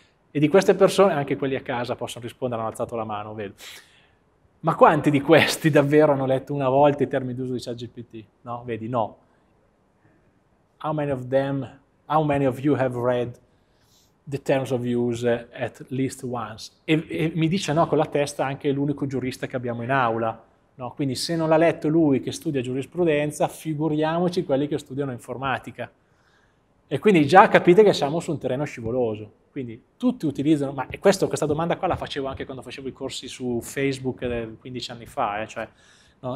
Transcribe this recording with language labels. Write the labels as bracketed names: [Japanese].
[Italian] E di queste persone, anche quelli a casa possono rispondere, hanno alzato la mano, vedo. Ma quanti di questi davvero hanno letto una volta i termini d'uso di ChatGPT? No? Vedi, no. [English] How many of you have read the terms of use at least once? [Italian] E mi dice no con la testa anche l'unico giurista che abbiamo in aula, no? Quindi se non l'ha letto lui che studia giurisprudenza, figuriamoci quelli che studiano informatica. E quindi già capite che siamo su un terreno scivoloso. Quindi tutti utilizzano, ma questa domanda qua la facevo anche quando facevo i corsi su Facebook 15 anni fa, cioè no?